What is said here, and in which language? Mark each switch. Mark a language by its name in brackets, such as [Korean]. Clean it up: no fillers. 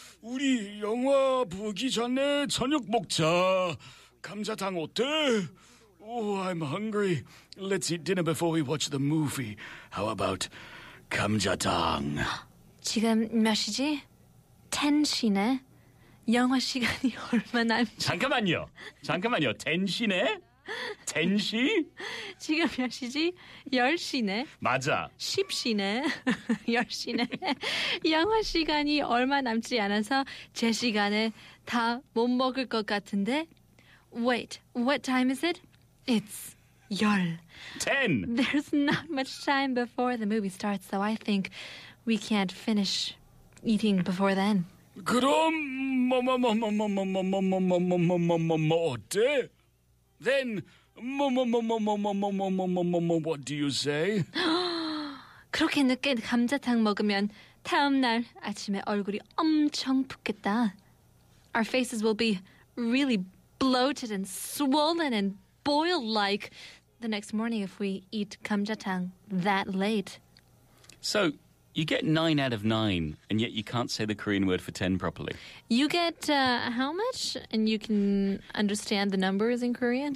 [Korean] 우리 영화 보기 전에 저녁 먹자. 감자탕 어때? [English] Oh, I'm hungry. Let's eat dinner before we watch the movie. How about 감자탕? [Korean] 지금 몇 시지? 10시네. 영화 시간이 얼마 남지? 잠깐만요. 잠깐만요. 10시네? 10시? 지금 몇 시지? 10시네. 맞아. 10시네. 10시네. 영화 시간이 얼마 남지 않아서 제 시간에 다 못 먹을 것 같은데... [English] Wait, what time is it? It's 열. 10. There's not much time before the movie starts, so I think we can't finish eating before then. [Korean] 그럼 뭐뭐뭐뭐뭐뭐뭐뭐뭐뭐뭐뭐뭐 어때? [English] Then 뭐뭐뭐뭐뭐뭐뭐뭐뭐뭐 what do you say? [Korean] 그렇게 늦게 감자탕 먹으면 다음 날 아침에 얼굴이 엄청 붓겠다. [English] Our faces will be really bloated and swollen and boiled like the next morning if we eat gamjatang that late. So, you get 9 out of 9, and yet you can't say the Korean word for 10 properly. You get how much, and you can understand the numbers in Korean?